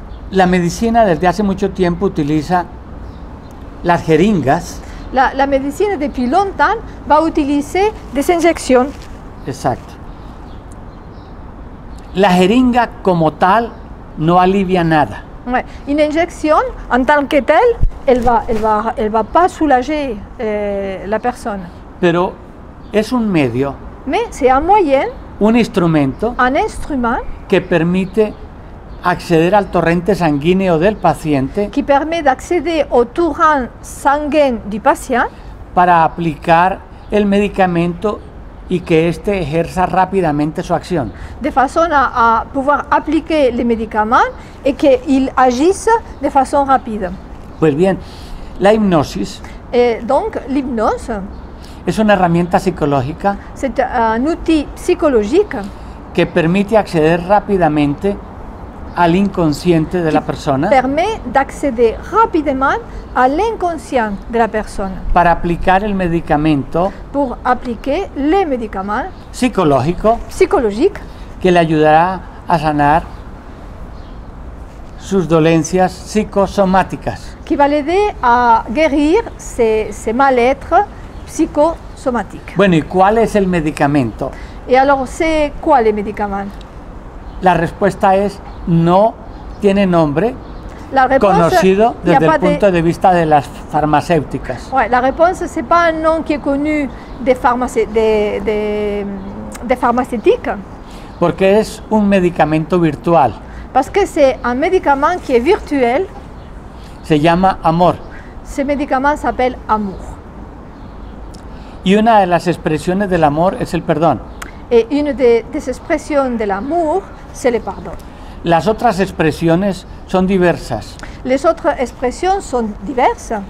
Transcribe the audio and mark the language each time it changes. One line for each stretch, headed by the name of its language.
Spanish: La medicina desde hace mucho tiempo utiliza las jeringas. La medicina
French: depuis longtemps
Spanish: va a utilizar
French: des injections.
Spanish: Exacto. La jeringa como tal no alivia nada.
French: Ouais. Une injection en tant que telle, elle va pas soulager la persona.
Spanish: Pero es un medio.
French: Mais c'est un moyen.
Spanish: Un instrumento.
French: Un instrument
Spanish: que permite acceder al torrente sanguíneo del paciente.
French: Qui permet d'accéder au torrent sanguin du patient.
Spanish: Para aplicar el medicamento y que este ejerza rápidamente su acción.
French: De façon à pouvoir appliquer le médicament et que il agisse de façon rapide.
Spanish: Pues bien, la hipnosis.
French: Donc l'hypnose.
Spanish: Es una herramienta psicológica.
French: C'est un outil psychologique.
Spanish: Que permite acceder rápidamente al inconsciente de la persona.
French: Permet d'accéder rapidement à l'inconscient de la persona.
Spanish: Para aplicar el medicamento.
French: Pour appliquer le médicament.
Spanish: Psicológico.
French: Psicologique.
Spanish: Que le ayudará a sanar sus dolencias psicosomáticas.
French: Qui va l'aider à guérir ses mal-être psychosomatiques.
Spanish: Bueno, ¿y cuál es el medicamento?
French: Et alors, c'est quoi le médicament?
Spanish: La respuesta es no tiene nombre conocido desde el punto de vista de las farmacéuticas.
French: Ouais, la réponse c'est pas un nom qui est connu de farmacéutique.
Spanish: Porque es un medicamento virtual.
French: Parce que c'est un médicament qui est virtuel.
Spanish: Se llama amor.
French: Ce médicament s'appelle amour.
Spanish: Y una de las expresiones del amor es el perdón.
French: Et une des expressions de l'amour, c'est le pardon.
Spanish: Las otras expresiones son diversas.
French: Les autres expressions sont diverses.